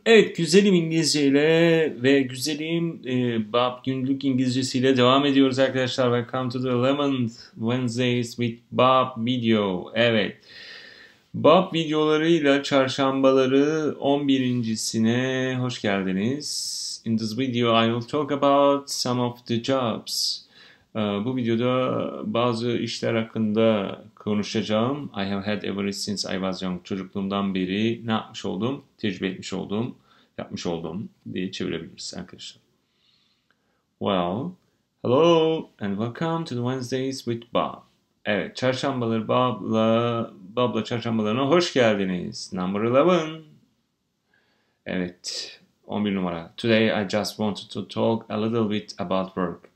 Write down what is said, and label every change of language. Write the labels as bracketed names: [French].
[Turkish] Evet, güzelim İngilizce ile ve güzelim Bob günlük İngilizcesi ile devam ediyoruz arkadaşlar. [English] Welcome to the 11th Wednesdays with Bob Video. [Turkish] Evet, Bob videolarıyla çarşambaları 11.sine hoş geldiniz. [English] In this video I will talk about some of the jobs. [Turkish] Bu videoda bazı işler hakkında konuşacağım. [English] I have had ever since I was young. [Turkish] Çocukluğumdan beri ne yapmış oldum? Tecrübe etmiş oldum, yapmış oldum diye çevirebiliriz arkadaşlar. [English] Well, hello and welcome to the Wednesdays with Bob. [Turkish] Evet, çarşambaları Bob'la çarşambalarına hoş geldiniz. [English] Number 11. [Turkish] Evet. 11 numara. [English] Today I just wanted to talk a little bit about work.